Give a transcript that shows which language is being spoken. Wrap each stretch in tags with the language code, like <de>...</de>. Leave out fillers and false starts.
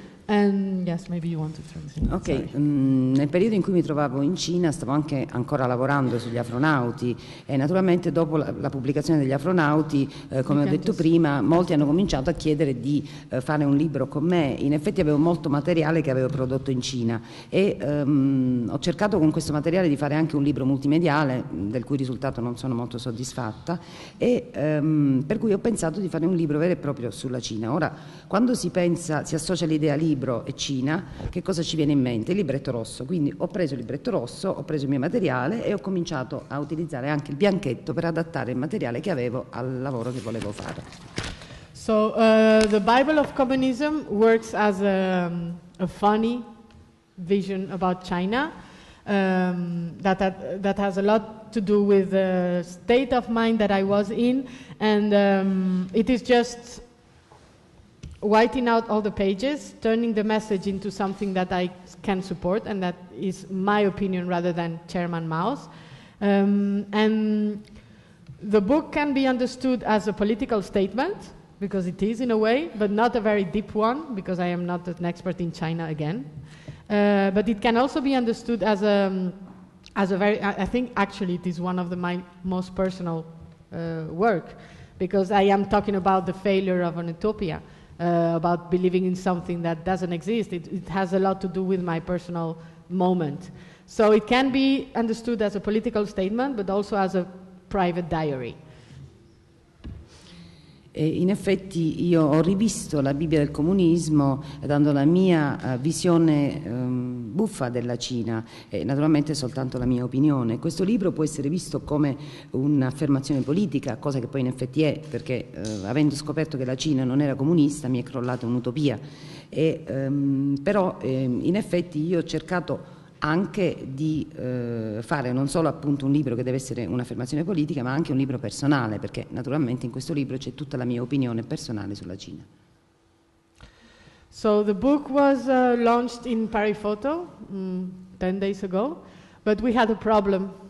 <en>Yes, maybe you want to translate. Okay.</en> <it>Nel periodo in cui mi trovavo in Cina stavo anche ancora lavorando sugli Afronauti e naturalmente dopo la pubblicazione degli Afronauti, come ho detto prima, molti hanno cominciato a chiedere di fare un libro con me. In effetti avevo molto materiale che avevo prodotto in Cina e ho cercato con questo materiale di fare anche un libro multimediale, del cui risultato non sono molto soddisfatta, e per cui ho pensato di fare un libro vero e proprio sulla Cina. Ora, quando si associa l'idea lì libro e Cina, che cosa ci viene in mente? Il libretto rosso. Quindi ho preso il libretto rosso, ho preso il mio materiale e ho cominciato a utilizzare anche il bianchetto per adattare il materiale che avevo al lavoro che volevo fare.</it> <en>So the Bible of Communism works as a funny vision about China that has a lot to do with the state of mind that I was in, and it is just whiting out all the pages, turning the message into something that I can support, and that is my opinion rather than Chairman Mao's. And the book can be understood as a political statement, because it is in a way, but not a very deep one, because I am not an expert in China again. But it can also be understood as I think actually it is one of my most personal work, because I am talking about the failure of an utopia. About believing in something that doesn't exist. It has a lot to do with my personal moment. So it can be understood as a political statement, but also as a private diary.</en> <it>In effetti io ho rivisto la Bibbia del comunismo dando la mia visione buffa della Cina, e naturalmente soltanto la mia opinione. Questo libro può essere visto come un'affermazione politica, cosa che poi in effetti è, perché avendo scoperto che la Cina non era comunista mi è crollata un'utopia. In effetti io ho cercato anche di fare non solo appunto un libro che deve essere un'affermazione politica, ma anche un libro personale, perché naturalmente in questo libro c'è tutta la mia opinione personale sulla Cina.</it> <en>So the book was launched in Parifoto 10 days ago, but we had a problem.</en>